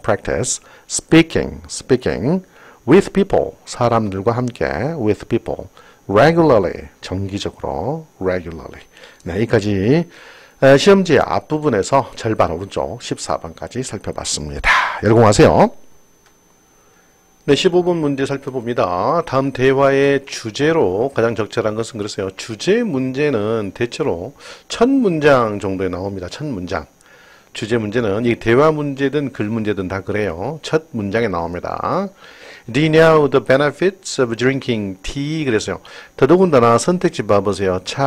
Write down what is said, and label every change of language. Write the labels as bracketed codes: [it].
[en] Practice, speaking, with people, [ko] 사람들과 함께, [en] with people, regularly, [ko] 정기적으로, [en] regularly. [ko] 네, 여기까지 시험지의 앞부분에서 절반 오른쪽 14번까지 살펴봤습니다. 열공하세요. 네, 15번 문제 살펴봅니다. 다음 대화의 주제로 가장 적절한 것은 그러세요. 주제 문제는 대체로 첫 문장 정도에 나옵니다. 첫 문장. 주제 문제는 이 대화 문제든 글 문제든 다 그래요. 첫 문장에 나옵니다. [en] Do you know the benefits of drinking tea? [ko] 그래서요. 더더군다나 선택지 봐보세요.